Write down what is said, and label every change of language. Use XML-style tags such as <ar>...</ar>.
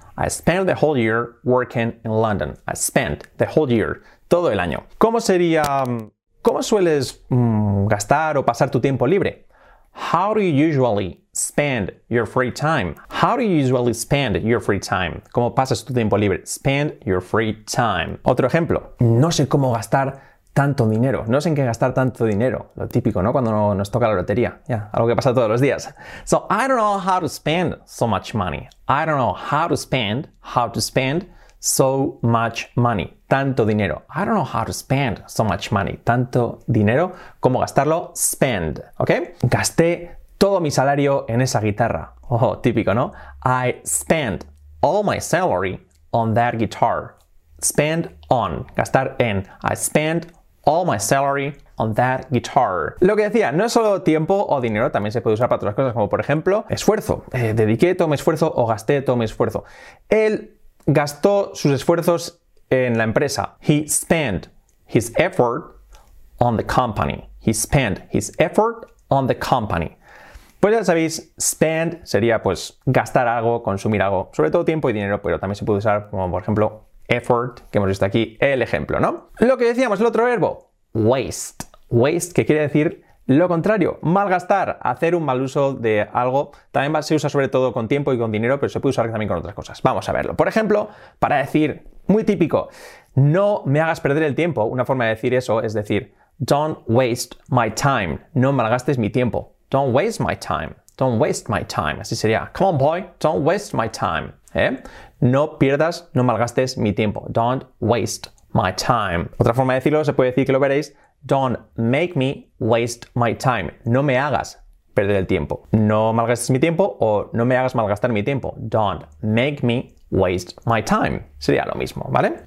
<en>I spent the whole year working in London. I spent the whole year,</en> <es>todo el año. ¿Cómo sería, cómo sueles gastar o pasar tu tiempo libre?</es> <en>How do you usually spend your free time? How do you usually spend your free time?</en> <es>¿Cómo pasas tu tiempo libre?</es> <en>Spend your free time.</en> <es>Otro ejemplo. No sé cómo gastar tanto dinero. No sé en qué gastar tanto dinero. Lo típico, ¿no? Cuando nos toca la lotería. Ya, yeah, algo que pasa todos los días.</es> <en>So, I don't know how to spend so much money. I don't know how to spend so much money.</en> <es>Tanto dinero.</es> <en>I don't know how to spend so much money.</en> <es>Tanto dinero. ¿Cómo gastarlo? Spend. ¿Ok? Gasté todo mi salario en esa guitarra. Oh, típico, ¿no?</es> <en>I spent all my salary on that guitar. Spend on.</en> <es>Gastar en.</es> <en>I spent all my salary on that guitar.</en> <es>Lo que decía, no es solo tiempo o dinero, también se puede usar para otras cosas, como por ejemplo, esfuerzo. Dediqué todo mi esfuerzo o gasté todo mi esfuerzo. Él gastó sus esfuerzos en la empresa.</es> <en>He spent his effort on the company. He spent his effort on the company.</en> <es>Pues ya sabéis, spend sería pues gastar algo, consumir algo, sobre todo tiempo y dinero, pero también se puede usar como por ejemplo, effort, que hemos visto aquí el ejemplo, ¿no? Lo que decíamos, el otro verbo, waste. Waste, que quiere decir lo contrario, malgastar, hacer un mal uso de algo. También se usa sobre todo con tiempo y con dinero, pero se puede usar también con otras cosas. Vamos a verlo. Por ejemplo, para decir, muy típico, no me hagas perder el tiempo. Una forma de decir eso es decir,</es> <en>don't waste my time.</en> <es>No malgastes mi tiempo.</es> <en>Don't waste my time. Don't waste my time.</en> <es>Así sería,</es> <en>come on boy, don't waste my time.</en> <es>¿Eh? No pierdas, no malgastes mi tiempo.</es> <en>Don't waste my time.</en> <es>Otra forma de decirlo, se puede decir que lo veréis.</es> <en>Don't make me waste my time.</en> <es>No me hagas perder el tiempo. No malgastes mi tiempo o no me hagas malgastar mi tiempo.</es> <en>Don't make me waste my time.</en> <es>Sería lo mismo, ¿vale?</es>